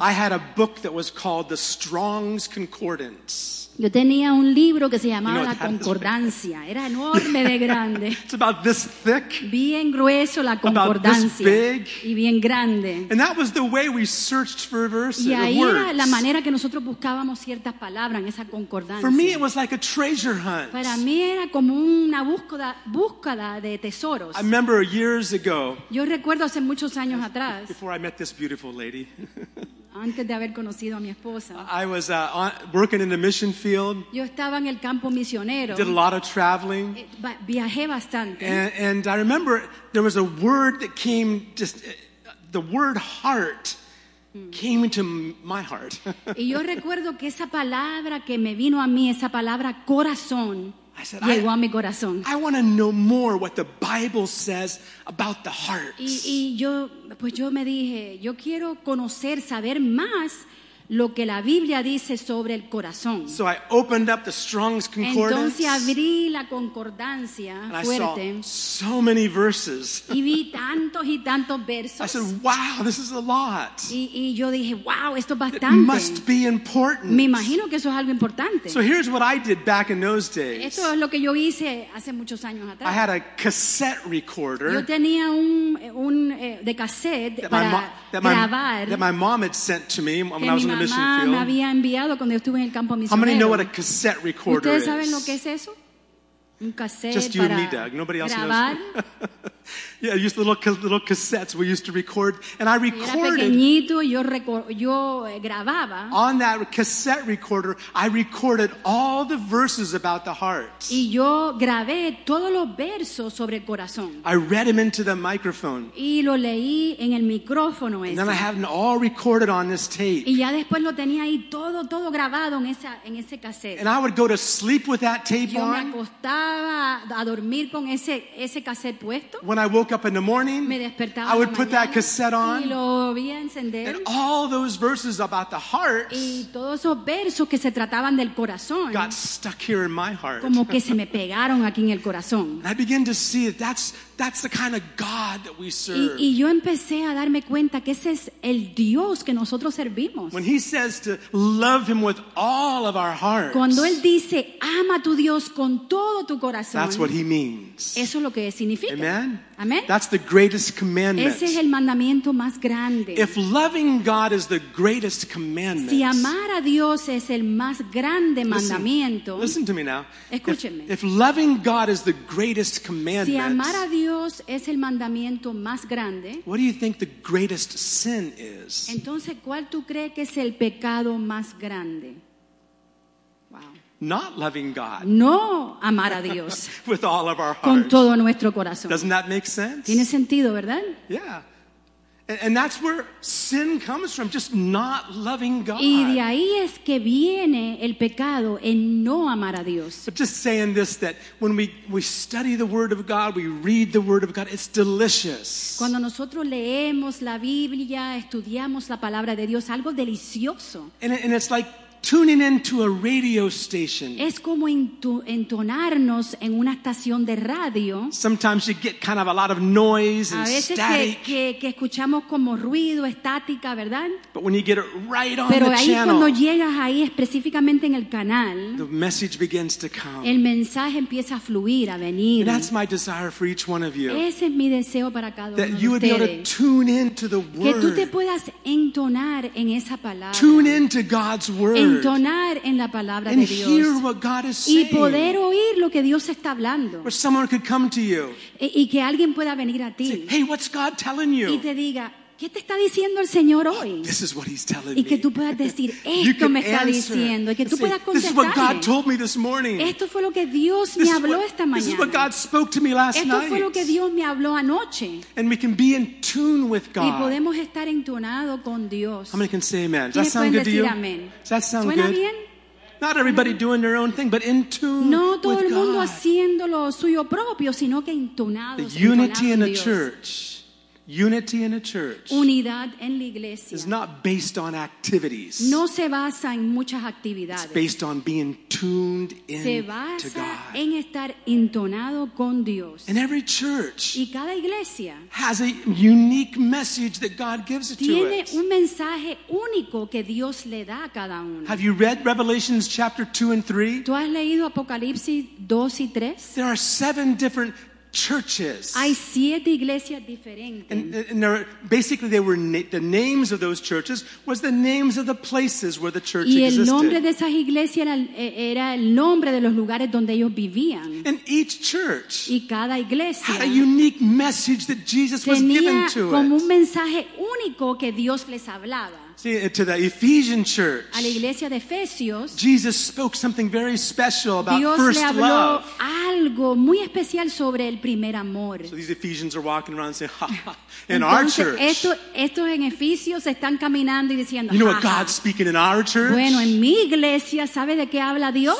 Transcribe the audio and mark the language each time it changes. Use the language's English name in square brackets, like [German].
[English] I had a book that was called the Strong's Concordance. [Spanish] Yo tenía un libro que se llamaba La Concordancia. Era enorme de grande. [English] It's about this thick. [Spanish] Bien grueso la concordancia. [English] About this big. [Spanish] Y bien grande. [English] And that was the way we searched for verses. [Spanish] Y ahí [English] words. [Spanish] Era la manera que nosotros buscábamos ciertas palabras en esa concordancia. [English] For me, it was like a treasure hunt. [Spanish] Para mí era como una búsqueda de tesoros. [English] I remember years ago. [Spanish] Yo recuerdo hace muchos años atrás. [English] Before I met this beautiful lady. [Spanish] Antes de haber conocido a mi esposa, [English] I was working in the mission field. [Spanish] Yo estaba en el campo misionero. [English] Did a lot of traveling. [Spanish] Viajé bastante. [English] And I remember there was a word that came, just the word heart came into my heart. [Spanish] Y yo recuerdo que esa palabra que me vino a mí, esa palabra corazón, llegó a mi corazón. [English] I want to know more what the Bible says about the heart. [Spanish] Y yo me dije, yo quiero conocer, saber más lo que la Biblia dice sobre el corazón. [English] So I opened up the Strong's Concordance. [Spanish] Entonces abrí la concordancia fuerte. [English] And I saw so many verses. [Spanish] Y vi tantos y tantos versos. [English] I said, wow, this is a lot. [Spanish] Y yo dije, wow, esto es bastante. [English] It must be important. [Spanish] Me imagino que eso es algo importante. [English] So here's what I did back in those days. [Spanish] Esto es lo que yo hice hace muchos años atrás. [English] I had a cassette recorder. [Spanish] Yo tenía un de cassette para grabar. [English] That my mom had sent to me when I was [Spanish] mi mamá me había enviado cuando yo estuve en el campo misionero. [English] How many know what a cassette recorder [Spanish] ¿ustedes [English] is? [Spanish] Saben lo que es eso? Un cassette. [English] Just you and me, Doug. Nobody else [Spanish] grabar. [English] Knows. Yeah, used little cassettes we used to record, and I recorded. [Spanish] Era pequeñito, yo grababa. [English] On that cassette recorder, I recorded all the verses about the heart. [Spanish] Y yo grabé todos los versos sobre el corazón. [English] I read them into the microphone. [Spanish] Y lo leí en el micrófono ese. [English] And then I had them all recorded on this tape. [Spanish] Y ya después lo tenía ahí todo grabado en ese cassette. [English] And I would go to sleep with that tape on. [Spanish] Yo me acostaba a dormir con ese cassette puesto. [English] When I woke up in the morning, I would put [Spanish] mañana, [English] that cassette on, [Spanish] y lo vi encender, [English] and all those verses about the heart [Spanish] y todos esos versos que se trataban del corazón, [English] got stuck here in my heart. [Spanish] Como que se me pegaron aquí en el corazón. [English] And I began to see that that's the kind of God that we serve. [Spanish] Y yo empecé a darme cuenta que ese es el Dios que nosotros servimos. [English] When he says to love him with all of our hearts, [Spanish] cuando él dice ama a tu Dios con todo tu corazón, [English] that's what he means. [Spanish] Eso es lo que significa. [English] Amen. [Spanish] Amen. [English] That's the greatest commandment. [Spanish] Ese es el mandamiento más grande. [English] If loving God is the greatest commandment, [Spanish] si amar a Dios es el más grande mandamiento. [English] Listen to me now. [Spanish] Escúcheme. [English] If loving God is the greatest commandment, [Spanish] si amar a Dios es el mandamiento más grande, [English] what do you think the greatest sin is? [Spanish] Entonces, ¿cuál tú crees que es el pecado más grande? [English] Not loving God. [Spanish] No amar a Dios. [English] With all of our hearts. [Spanish] Con todo nuestro corazón. [English] Doesn't that make sense? [Spanish] Tiene sentido, ¿verdad? [English] Yeah. And that's where sin comes from, just not loving God. [Spanish] Y de ahí es que viene el pecado en no amar a Dios. [English] But just saying this, that when we study the Word of God, we read the Word of God, it's delicious. [Spanish] Cuando nosotros leemos la Biblia, estudiamos la palabra de Dios, algo delicioso. [English] And it's like tuning into a radio station. [Spanish] Es como entonarnos en una estación de radio. [English] Sometimes you get kind of a lot of noise and static. [Spanish] A veces que escuchamos como ruido, estática, ¿verdad? [English] But when you get it right on [Spanish] Pero [English] the [Spanish] ahí [English] channel, [Spanish] cuando llegas ahí específicamente en el canal, [English] the message begins to come. [Spanish] El mensaje empieza a fluir, a venir. [English] And that's my desire for each one of you. [Spanish] Ese es mi deseo para cada uno de ustedes. [English] That you would be able to tune into the word. [Spanish] Que tú te puedas entonar en esa palabra. [English] Tune into God's word. [Spanish] Entonar en la palabra [English] and [Spanish] de Dios. [English] Hear what God is [Spanish] y poder oír lo que Dios está hablando. [English] Where someone could come to you. [Spanish] Y que alguien pueda venir a ti. [English] Say, hey, what's God telling you? [Spanish] Y te diga, ¿qué te está diciendo el Señor hoy? [English] This is what he's telling [Spanish] y que tú puedas decir, esto me está diciendo. Y que tú [English] say, [Spanish] puedas contestar. [English] This is what God told me this morning. [Spanish] Esto fue lo que Dios me habló esta mañana. [English] This is what God spoke to me last [Spanish] esto [English] night. [Spanish] Fue lo que Dios me habló anoche. [English] And we can be in tune with God. [Spanish] Y podemos estar entonado con Dios. [English] How many can say amen? Does that sound good to you? Amen. Does that sound [Spanish] ¿Suena [English] good? [Spanish] Bien? [English] Not everybody doing their own thing, but in tune with God. [Spanish] No todo el mundo [English] God. [Spanish] Haciendo lo suyo propio, sino que entonados. [English] The unity in [Spanish] Dios. [English] A church. Unity in a church [Spanish] Unidad en la iglesia. [English] Is not based on activities. [Spanish] No se basa en muchas actividades. [English] It's based on being tuned in [Spanish] se basa [English] to God. [Spanish] En estar entonado con Dios. [English] And every church [Spanish] y cada iglesia [English] has a unique message that God gives it to [Spanish] tiene [English] us. [Spanish] Un mensaje único que Dios le da a cada uno. [English] Have you read Revelations chapter 2 and 3? [Spanish] ¿Tú has leído Apocalipsis 2 y 3? [English] There are seven different churches. [Spanish] Hay siete iglesias diferentes. [English] And there, basically, they were the names of those churches was the names of the places where the church existed. [Spanish] Y el nombre de esas iglesias era el nombre de los lugares donde ellos vivían. [English] And each church [Spanish] y cada iglesia [English] had a unique message that Jesus was given to [Spanish] tenía como un mensaje único que Dios les hablaba. [English] See, to the Ephesian church, [Spanish] a la iglesia de Efesios, [English] Jesus spoke something very special about [Spanish] Dios [English] first [Spanish] le habló [English] love. [Spanish] Algo muy especial sobre el primer amor. [English] So these Ephesians are walking around saying, ha, ha. In [Spanish] Entonces, [English] our church. [Spanish] Estos en Efesios están caminando y diciendo, [English] you know what God's speaking in our church? [Spanish] Bueno, en mi iglesia, ¿sabe de qué habla Dios?